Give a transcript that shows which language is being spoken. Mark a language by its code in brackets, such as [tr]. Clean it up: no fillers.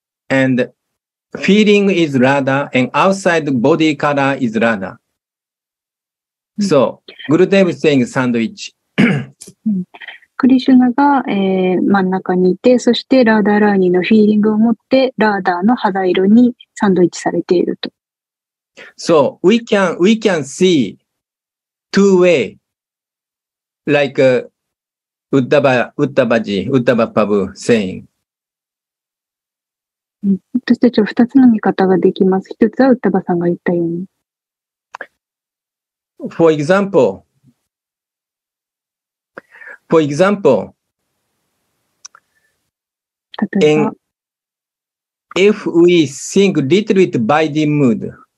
[en] AndFeeling is Radha and outside body color is Radha. So, Gurudev is saying sandwich. [ja] クリシュナが、真ん中にいて、そしてラーダラーニのフィーリングを持って、ラーダの肌色にサンドイッチされていると。 [en] So, we can see two way, like Uttabaji saying. [ja] 私たちは二つの見方ができます。一つはウッダバさんが言ったように。 [en] For example, if we think little bit by the mood,